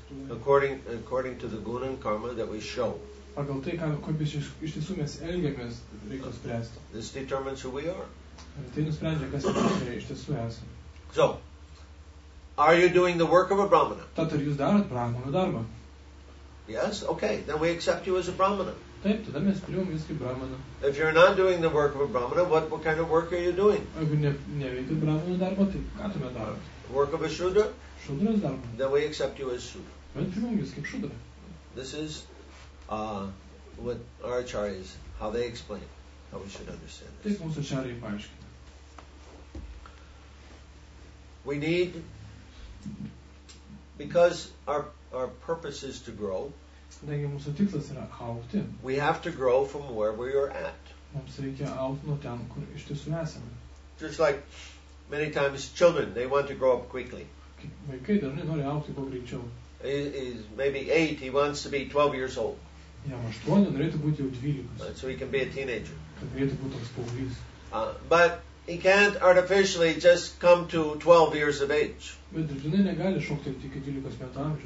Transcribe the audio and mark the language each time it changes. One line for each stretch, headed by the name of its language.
English: according to the guna and karma that we show.
Lithuanian: Pagal tai, kaip iš tiesų mes elgiamės, reikia spręsti.
English: This determines who we are.
Lithuanian: Tai nusprendžia, kas iš tiesų esame.
English: So, are you doing the work of a brahmana?
Lithuanian: Tad ar jūs darot brahmano darbą?
English: Yes, okay, then we accept you as a brahmana.
Lithuanian: Taip, tada mes priimam jūs kaip brahmana.
English: If you're not doing the work of a brahmana, what kind of work are you doing?
Lithuanian: Jeigu neveikia brahmano darbą, tai ką tu mes darot?
English: Work of a shudra?
Lithuanian: Šudras darbą.
English: Then we accept you as shudra.
Lithuanian: Mes priimam jūs kaip šudra.
English: This is what our acharyas, how they explain, how we should understand this.
Lithuanian: Taip mūsų acharyai paaiškina.
English: We need, because our purpose is to grow,
Lithuanian: taigi mūsų tikslas yra augti.
English: We have to grow from where we are at.
Lithuanian: Mums reikia augti nuo ten, kur iš tiesų esame.
English: Just like many times children, they want to grow up quickly.
Lithuanian: Vaikai dar nenori augti kuo greičiau.
English: He's maybe 8, he wants to be 12 years old.
Lithuanian: Jam 8, norėtų būti jau 12.
English: So he can be a teenager.
Lithuanian: Kad norėtų būti toks paauglys.
English: But he can't artificially just come to 12 years of age.
Lithuanian: Bet dirbtinai negali šokti iki 12 metų amžiaus.